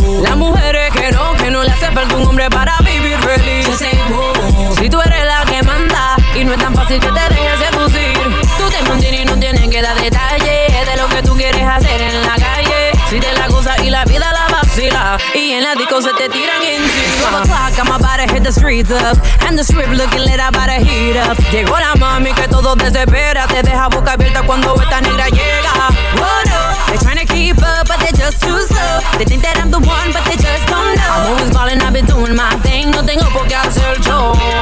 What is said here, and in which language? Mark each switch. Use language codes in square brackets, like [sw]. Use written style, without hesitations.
[es] Las mujeres que no le hace falta un hombre para vivir feliz. Yo soy si tú eres la que manda y no es tan fácil que te dejes seducir. Tú te mantienes y no tienes que dar detalles de lo que tú quieres hacer en la calle. Si te la gozas y la vida la vacila y en la disco se te tiran encima. [en] Go to clock, I'm about to hit the streets up. And the strip looking lit, I'm about to heat up. [es] Llegó la mami que todo desespera. Te deja boca abierta cuando esta negra llega. [en] What up? They're trying to keep up, but they're just too slow. They think that I'm the one, but they just don't know. I'm always ballin', I've been doing my thing. [es] No tengo por qué hacer yo.